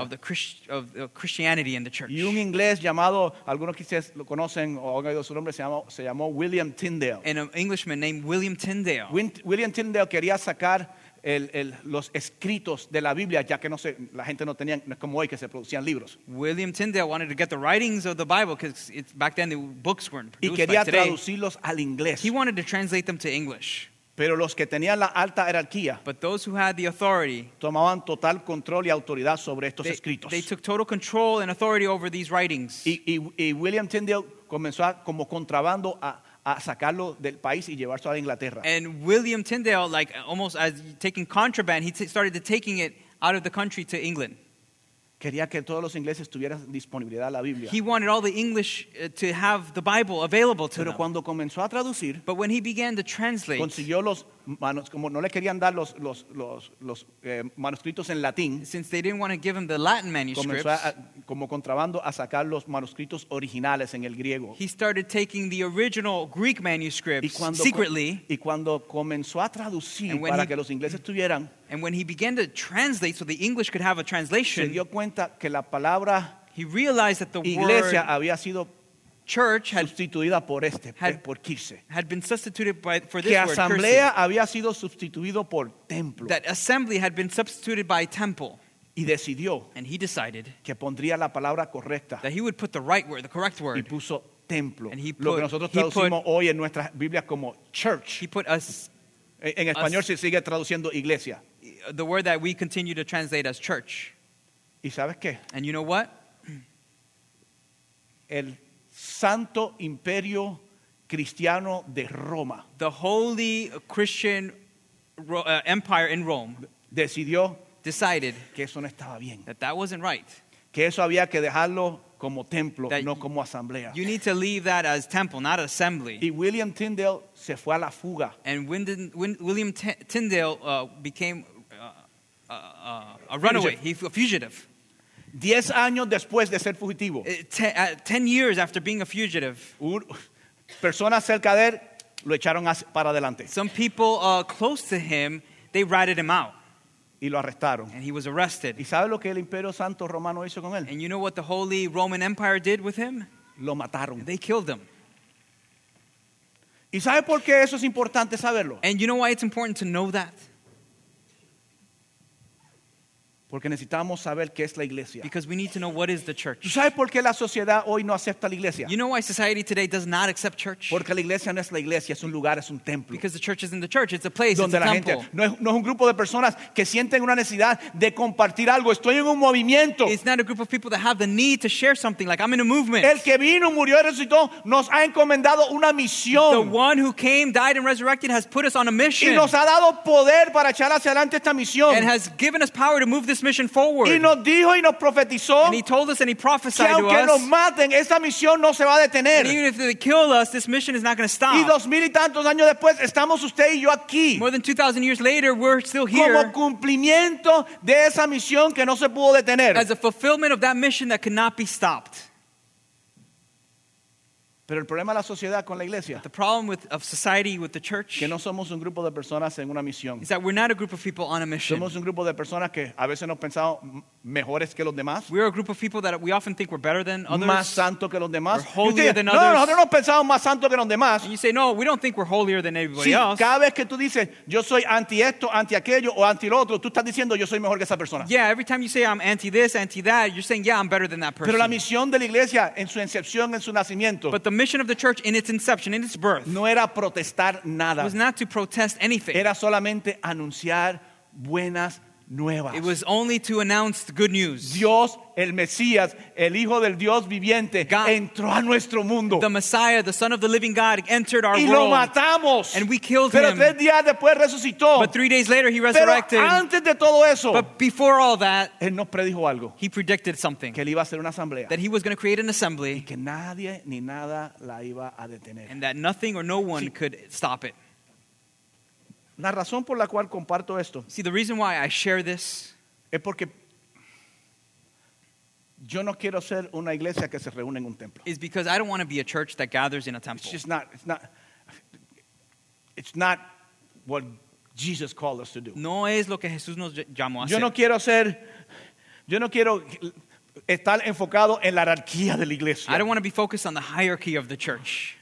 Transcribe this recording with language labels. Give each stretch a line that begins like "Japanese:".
English: of the Christianity in the church.
Spanish: Y un inglés llamado, algunos quizás lo conocen o han oído su nombre, se llamó William Tyndale.
English: And an Englishman named William Tyndale.
Spanish: William Tyndale quería sacar los escritos de la Biblia, ya que la gente no tenían, no es como hoy que se producían libros.
English: William Tyndale wanted to get the writings of the Bible because back then the books weren't produced.
Spanish: Y quería traducirlos al inglés.
English: He wanted to translate them to English.
Spanish: Pero los que tenían la alta jerarquía,
English: but those who had the authority,
Spanish: tomaban total control y autoridad sobre estos escritos.
English: They took total control and authority over these writings.
Spanish: Y William Tyndale comenzó como contrabando a sacarlo del país y llevarlo a Inglaterra.
English: And William Tyndale, like almost as taking contraband, he started taking it out of the country to England.
Spanish: Quería que todos los ingleses tuvieran disponibilidad a la Biblia.
English: He wanted all the English to have the Bible available to
Spanish: pero
English: them.
Spanish: Pero cuando comenzó a traducir,
English: but when he began to translate,
Spanish: consiguió los manuscritos, como no le querían dar los manuscritos en latín,
English: since they didn't want to give him the Latin manuscripts,
Spanish: comenzó como contrabando a sacar los manuscritos originales en el griego.
English: He started taking the original Greek manuscripts secretly.
Spanish: Y cuando comenzó a traducir para que los ingleses tuvieran,
English: and when he began to translate so the English could have a translation,
Spanish: se dio cuenta que la palabra,
English: he realized that the
Spanish: iglesia
English: word
Spanish: había sido
English: church had,
Spanish: sustituida por este,
English: had,
Spanish: por kirche.
English: Had been substituted by, for this
Spanish: que
English: word,
Spanish: asamblea había sido sustituido por templo.
English: That assembly had been substituted by temple.
Spanish: Y decidió,
English: and he decided
Spanish: que pondría la palabra correcta,
English: that he would put the right word, the correct word.
Spanish: Y puso templo.
English: And he put,
Spanish: lo que nosotros traducimos hoy en nuestras Biblias como church.
English: He put us.
Spanish: En español se sigue traduciendo iglesia.
English: The word that we continue to translate as church.
Spanish: ¿Y sabes qué?
English: And you know what?
Spanish: El Santo Imperio Cristiano de Roma.
English: The Holy Christian Empire in Rome.
Spanish: Decidió.
English: Decided.
Spanish: Que eso no estaba bien.
English: That that wasn't right.
Spanish: Que eso había que dejarlo como templo, no como asamblea.
English: You need to leave that as temple, not assembly.
Spanish: Y William Tyndale se fue a la fuga.
English: And William Tyndale became a runaway. He a fugitive.
Spanish: 10 años después de ser fugitivo.
English: 10 years after being a fugitive.
Spanish: Personas cerca de él lo echaron para adelante.
English: Some people close to him, they ratted him out.
Spanish: Y lo arrestaron.
English: And he was arrested.
Spanish: ¿Y sabe lo que el Imperio Santo Romano hizo con él?
English: And you know what the Holy Roman Empire did with him?
Spanish: Lo mataron.
English: They killed him.
Spanish: ¿Y sabe por qué eso es importante saberlo?
English: And you know why it's important to know that?
Spanish: Porque necesitamos saber qué es la iglesia.
English: Because we need to know what is the church.
Spanish: ¿Y sabe por qué la sociedad hoy no acepta la iglesia?
English: You know why society today does not accept church?
Spanish: Porque la iglesia no es la iglesia, es un lugar, es un templo.
English: Because the church isn't the church, it's a place,
Spanish: donde
English: it's
Spanish: la
English: a
Spanish: gente,
English: temple.
Spanish: No es un grupo de personas que sienten una necesidad de compartir algo. Estoy en un movimiento.
English: It's not a group of people that have the need to share something, like I'm in a movement.
Spanish: El que vino, murió y resucitó nos ha encomendado una misión.
English: The one who came, died and resurrected has put us on a mission.
Spanish: Y nos ha dado poder para echar hacia adelante esta misión.
English: And has given us power to move this mission forward.
Spanish: Y nos dijo y nos profetizó,
English: and he told us and he prophesied
Spanish: que aunque
English: to us,
Spanish: nos maten, esa misión no se va a detener.
English: And even if they kill us, this mission is not going to stop.
Spanish: Y 2,000 y tantos años después, estamos usted y yo aquí.
English: More than 2,000 years later, we're still here.
Spanish: Como cumplimiento de esa misión que no se pudo detener.
English: As a fulfillment of that mission that cannot be stopped.
Spanish: Pero el problema de la sociedad con la iglesia,
English: the problem with, of society with the church,
Spanish: que no somos un grupo de personas en una misión,
English: is that we're not a group of people on a mission.
Spanish: Somos un grupo de personas que a veces nos pensamos mejores que los demás.
English: We're a group of people that we often think we're better than others.
Spanish: Más santo que los demás.
English: We're holier than others.
Spanish: No, nosotros pensamos más santo que los demás.
English: And you say, no, we don't think we're holier than everybody
Spanish: sí,
English: else.
Spanish: Cada vez que tú dices, yo soy anti esto, anti aquello, o anti lo otro, tú estás diciendo, yo soy mejor que esa persona.
English: Yeah, every time you say I'm anti this, anti that, you're saying, yeah, I'm better than that person.
Spanish: Pero la misión de la iglesia en su incepción, en su nacimiento,
English: but the mission of the church in its inception, in its birth,
Spanish: no era protestar nada.
English: It was not to protest anything.
Spanish: Era solamente anunciar buenas nuevas.
English: It was only to announce the good news.
Spanish: Dios, el Mesías, el Hijo del Dios viviente, God, entró a nuestro mundo.
English: The Messiah, the Son of the Living God, entered our
Spanish: y
English: world.
Spanish: Y lo matamos.
English: And we killed
Spanish: pero
English: him.
Spanish: Pero 3 días después resucitó.
English: But 3 days later he resurrected.
Spanish: Pero antes de todo eso,
English: but before all that,
Spanish: él nos predijo algo.
English: He predicted something.
Spanish: Que él iba a hacer una asamblea.
English: That he was going to create an assembly.
Spanish: Y que nadie ni nada la iba a detener.
English: And that nothing or no one
Spanish: sí.
English: could stop it.
Spanish: La razón por la cual comparto esto,
English: see, the reason why I share this,
Spanish: es porque yo no quiero ser una iglesia que se reúne en un templo.
English: Is because I don't want to be a church that gathers in a temple. It's not what Jesus called us to do.
Spanish: No es lo que Jesús nos llamó a hacer. Yo no quiero estar enfocado en la jerarquía de la iglesia.
English: I don't want to be focused on the hierarchy of the church.